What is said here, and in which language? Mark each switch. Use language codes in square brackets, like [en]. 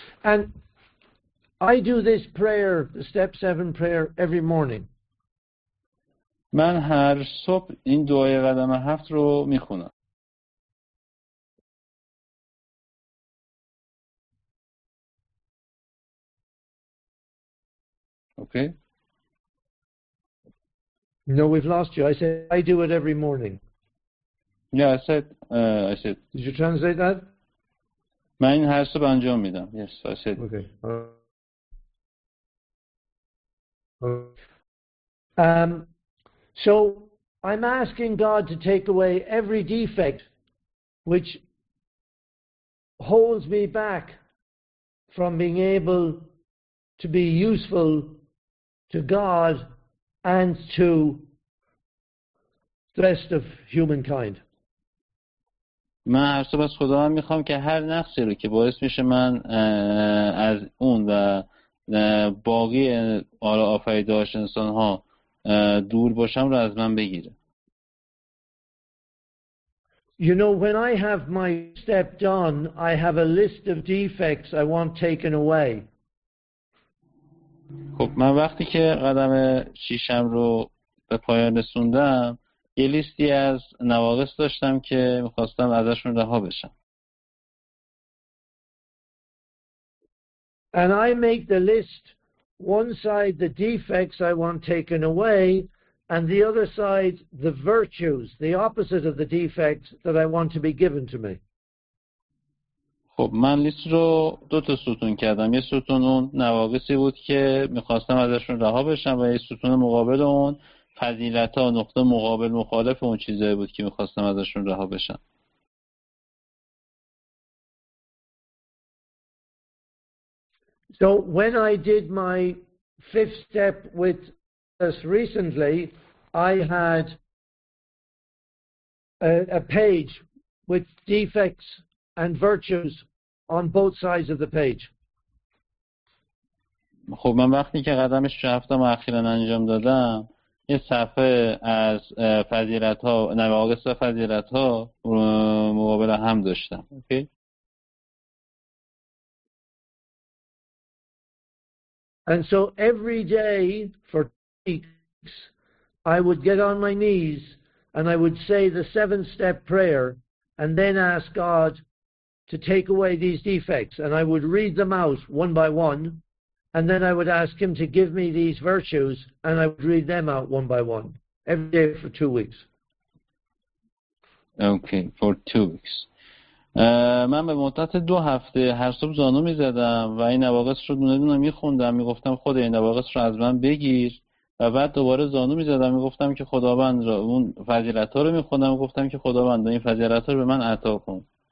[en] And I do this prayer, the step 7 prayer every morning. [fa] من هر صبح این دعای قدم هفت رو میخونم. [en] Okay. No, we've lost you. I said I do it every morning. Yeah, I said. Did you translate that? [fa] من این هر صبح انجام میدم. [en] Yes, I said. Okay. So I'm asking God to take away every defect which holds me back from being able to be useful to God and to the rest of humankind. [fa] من هر صبح از خدا هم میخوام که هر نقصی رو که باعث میشه من از اون و باقی آفریده‌اش انسان ها دور باشم رو از من بگیره. [en] You know, when I have my step done, I have a list of defects I want taken away. [fa] خب من وقتی که قدم ششم رو به پایان رسوندم یه لیستی از نواقص داشتم که میخواستم ازشون رها بشم. [en] And I make the list, one side the defects I want taken away, and the other side the virtues, the opposite of the defects that I want to be given to me. [fa] خب من لیست رو دو تا ستون کردم. یه ستون اون نواقصی بود که میخواستم ازشون رها بشم و یه ستون مقابل اون فضیلت ها نقطه مقابل مخالف اون چیزایی بود که میخواستم ازشون رها بشم. [en] So when I did my fifth step with us recently, I had a page with defects and virtues on both sides of the page. [fa] خب من وقتی که قدم ششم اخیرا انجام دادم یه صفحه از فضیلت ها نواقص و فضیلت ها مقابل هم داشتم. [en] Okay. And so every day for 2 weeks, I would get on my knees and I would say the seven-step prayer and then ask God to take away these defects. And I would read them out one by one and then I would ask him to give me these virtues and I would read them out one by one every day for 2 weeks. Okay, for 2 weeks. [fa] من به مدت 2 هفته هر صبح زانو می زدم و این نواقص رو دونه دونه می خوندم. می گفتم خدا این نواقص رو از من بگیر و بعد دوباره زانو می زدم. می گفتم که خداوند را اون فضیلت ها رو می خوندم. می گفتم که خداوند این فضیلت ها رو به من عطا کن.